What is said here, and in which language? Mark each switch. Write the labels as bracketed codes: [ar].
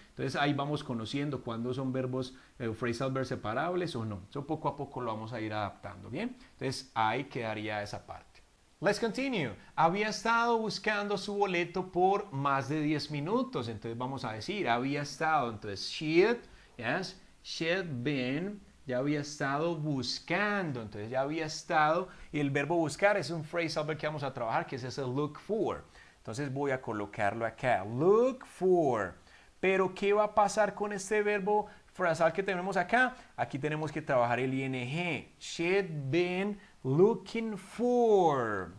[es] Entonces ahí vamos conociendo cuándo son verbos, phrasal verbs separables o no. Eso poco a poco lo vamos a ir adaptando. ¿Bien? Entonces ahí quedaría esa parte. [en] Let's continue. [es] Había estado buscando su boleto por más de 10 minutos. Entonces vamos a decir, había estado. [en] Entonces she'd, yes, she'd been... [es] Ya había estado buscando, entonces ya había estado. Y el verbo buscar es un phrasal verb que vamos a trabajar, que es ese look for. Entonces voy a colocarlo acá, look for. Pero, ¿qué va a pasar con este verbo frasal que tenemos acá? Aquí tenemos que trabajar el ing. [en] She'd been looking for.